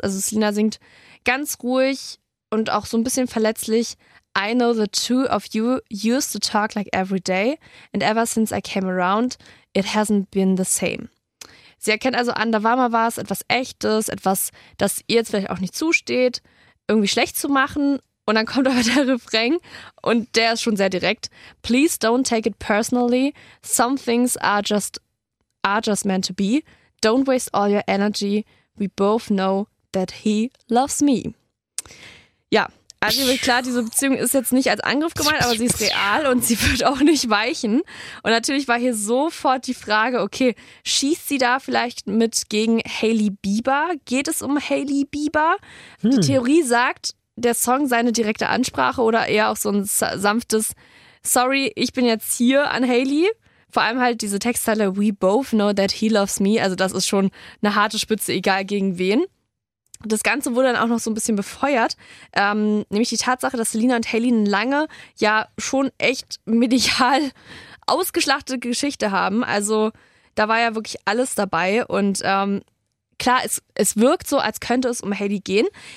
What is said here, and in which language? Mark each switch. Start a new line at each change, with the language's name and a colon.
German: Also Selina singt ganz ruhig und auch so ein bisschen verletzlich:
English: I know the two of you used to talk like every day and ever since I came around, it hasn't been the same.
German: Sie erkennt also an, da war mal was, etwas Echtes, etwas, das ihr jetzt vielleicht auch nicht zusteht, irgendwie schlecht zu machen. Und dann kommt aber der Refrain und der ist schon sehr direkt.
English: Please don't take it personally. Some things are just meant to be. Don't waste all your energy. We both know that he loves me.
German: Ja. Also klar, diese Beziehung ist jetzt nicht als Angriff gemeint, aber sie ist real und sie wird auch nicht weichen. Und natürlich war hier sofort die Frage, okay, schießt sie da vielleicht mit gegen Hailey Bieber? Geht es um Hailey Bieber? Hm. Die Theorie sagt, der Song sei eine direkte Ansprache oder eher auch so ein sanftes Sorry, ich bin jetzt hier an Hailey. Vor allem halt diese Textzeile
English: We both know that he loves me.
German: Also das ist schon eine harte Spitze, egal gegen wen. Das Ganze wurde dann auch noch so ein bisschen befeuert, nämlich die Tatsache, dass Selina und Hailey eine lange, ja schon echt medial ausgeschlachtete Geschichte haben. Also da war ja wirklich alles dabei und klar, es wirkt so, als könnte es um Hailey gehen.